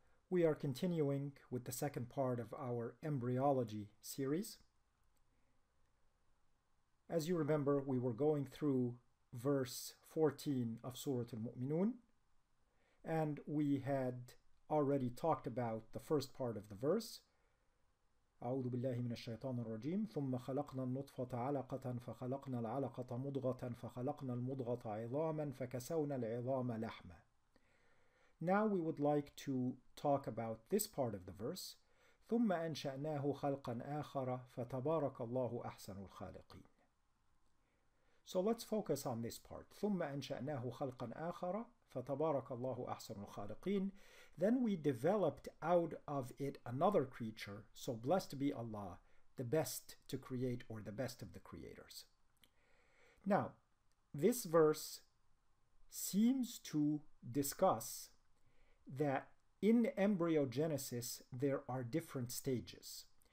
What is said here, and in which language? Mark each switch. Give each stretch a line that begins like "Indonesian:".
English: We are continuing with the second part of our embryology series. As you remember, we were going through verse 14 of Surah Al-Mu'minun, and we had already talked about the first part of the verse.
Arabic: أعوذ بالله من الشيطان الرجيم ثم خلقنا النطفة علقة فخلقنا العلقة مضغة فخلقنا المضغة عظاما فكسونا العظام لحما.
English: Now we would like to talk about this part of the verse.
Arabic: ثم أنشأناه خلقا آخر فتبارك الله أحسن الخالقين.
English: So let's focus on this part.
Arabic: ثم أنشأناه خلقا آخر فتبارك الله أحسن الخالقين.
English: Then we developed out of it another creature, so blessed be Allah, the best to create or the best of the creators. Now, this verse seems to discuss that in embryogenesis there are different stages.